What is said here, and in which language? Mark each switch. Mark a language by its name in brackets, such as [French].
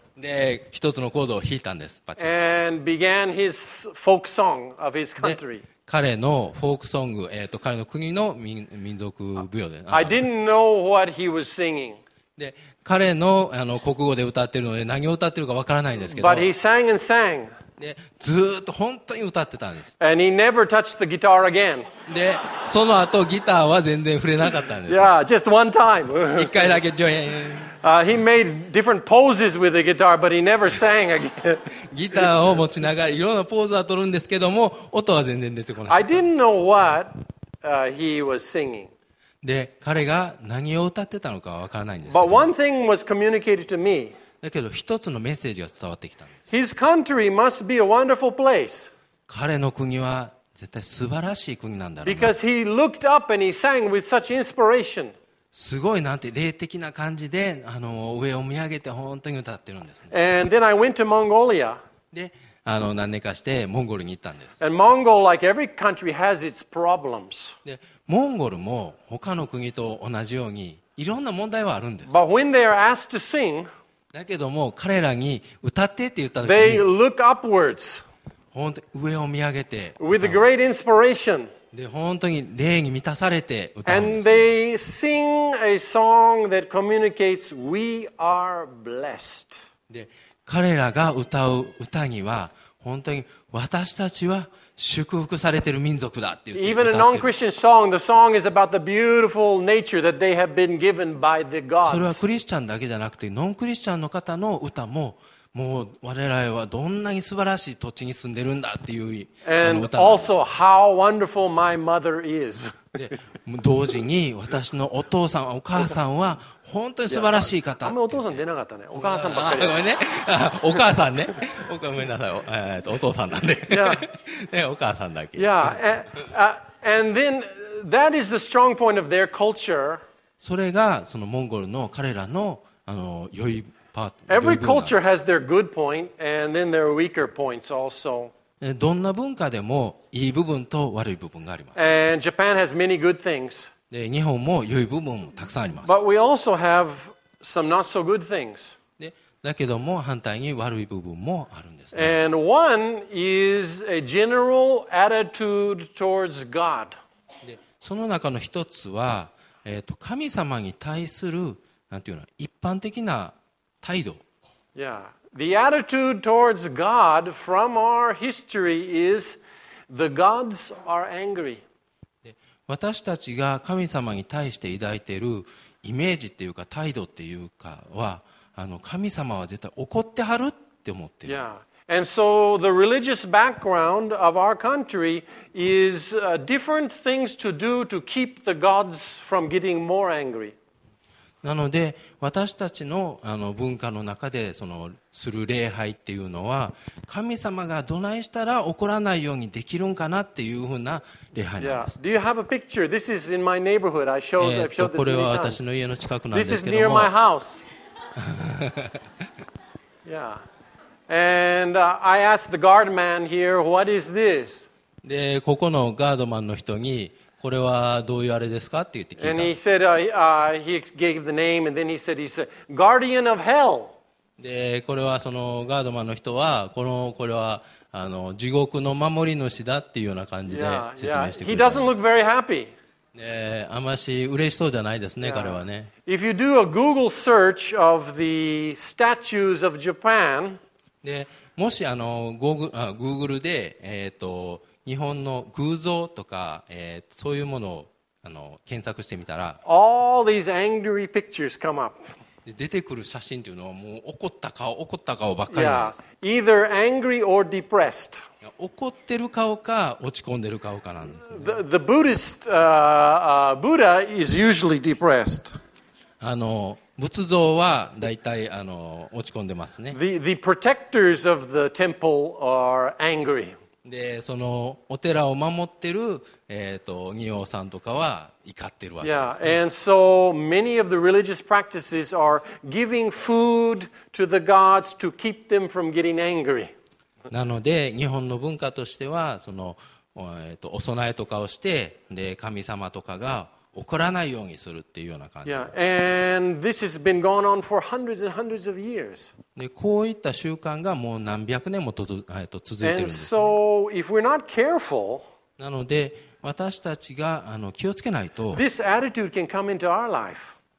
[Japanese] で一つのコードを弾いたんです。パチン。 [English] And began his folk song of his country. [Japanese] 彼のフォークソング、彼の国の民族舞踊で。 [English] I didn't know what he was singing. [Japanese] で彼の国語で歌っているので何を歌っているかわからないんですけど。 [English] But he sang and sang. [Japanese] でずっと本当に歌ってたんです。 [English] And he never touched the guitar again. [Japanese] でその後ギターは全然触れなかったんです。 [English] Yeah, just one time. [Japanese] 一回だけジョイン。 [English] He made different poses with the guitar, but he never sang again. [Japanese] ギターを持ちながらいろんなポーズは取るんですけども、音は全然出てこない。 [English] I didn't know what he was singing. [Japanese] で彼が何を歌ってたのかは分からないんです。 [English] But one thing was communicated to me. [Japanese] だけど一つのメッセージが伝わってきたんです。 [English] His country must be a wonderful place. [Japanese] 彼の国は絶対素晴らしい国なんだろうな。 [English] Because he looked up and he sang with such inspiration. [Japanese] すごいなんて霊的な感じで上を見上げて本当に歌ってるんですね。 [English] And then I went to Mongolia. [Japanese] で何年かしてモンゴルに行ったんです。 [English] And Mongol, like every country, has its problems. [Japanese] でモンゴルも他の国と同じようにいろんな問題はあるんです。 [English] But when they are asked to sing, [Japanese] だけども彼らに歌ってって言ったときに、 [English] They look upwards. [Japanese] 本当に上を見上げて、 [English] With great inspiration. [Japanese] で本当に霊に満たされて歌うんです。 [English] And they sing a song that communicates, "We are blessed." [Japanese] で彼らが歌う歌には本当に私たちは祝福されている民族だって言って歌ってる。 [English] Even a non-Christian song, the song is about the beautiful nature that they have been given by the gods. [Japanese] それはクリスチャンだけじゃなくて、ノンクリスチャンの方の歌も、もう我々はどんなに素晴らしい土地に住んでるんだっていう歌なんです。 [English] And also how wonderful my mother is. [Japanese] で、同時に私のお父さん、お母さんは本当に素晴らしい方。あんまりお父さん出なかったね。お母さんばっかり。ごめんね。お母さんね。ごめんなさい。お父さんなんで。ね、お母さんだけ。 [English] Yeah. And then that is the strong point of their culture. [Japanese] それがそのモンゴルの彼らの良いパート。 [English] Every culture has their good point and then their weaker points also. [Japanese] どんな文化でもいい部分と悪い部分があります。 [English] And Japan has many good things. [Japanese] で日本も良い部分もたくさんあります。 [English] But we also have some not so good things. [Japanese] でだけども反対に悪い部分もあるんですね。 [English] And one is a general attitude towards God. [Japanese] でその中の一つは、神様に対するなんていうの一般的な態度。 [English] Yeah. The attitude towards God from our history is the gods are angry. [Japanese] 私たちが神様に対して抱いているイメージっていうか態度っていうかは、神様は絶対怒ってはるって思ってる。 [English] Yeah. And so the religious background of our country is different things to do to keep the gods from getting more angry. [Japanese] なので私たち の文化の中でそのする礼拝っていうのは神様がどないしたら怒らないようにできるんかなっていうふうな礼拝なんです。 [English] Yeah. Do you have a picture? This is in my neighborhood. I showed this many times. [Japanese] これは私の家の近くなんですけども。 [English] This is near my house. Yeah. And I asked the guard man here, what is this? [Japanese] で、ここのガードマンの人に、これはどういうあれですかって言って聞いた。 [English] And he said, he gave the name, and then he said, he's a guardian of hell. [Japanese] で、これはそのガードマンの人は、これは、あの地獄の守り主だっていうような感じで説明してくれ [English] た。 He doesn't look very happy. [Japanese] あまし嬉しそうじゃないですね、彼はね。 [English] If you do a Google search of the statues of Japan, [Japanese] でもしあの Google で、日本の偶像とか、そういうものをあの検索してみたら、 [English] All these angry pictures come up. [Japanese] で出てくる写真というのはもう怒った顔、怒った顔ばっかりなんです。 [English] Yeah. Either angry or depressed. [Japanese] 怒ってる顔か落ち込んでる顔かなんです、ね。 [English] The Buddhist Buddha is usually depressed. [Japanese] あの仏像はだいたい落ち込んでますね。 [English] The protectors of the temple are angry. [Japanese] でそのお寺を守ってる仁王さんとかは。 [English] Yeah, and so many of the religious practices are giving food to the gods to keep them from getting angry. [Japanese] なので日本の文化としてはその、お供えとかをしてで神様とかが怒らないようにするっていうような感じ。 [English] Yeah, and this has been going on for hundreds and hundreds of years. [Japanese] でこういった習慣がもう何百年も続いているんです。 [English] And so if we're not careful, [Japanese] なので私たちが気をつけないと、 [English] This attitude can come into our life.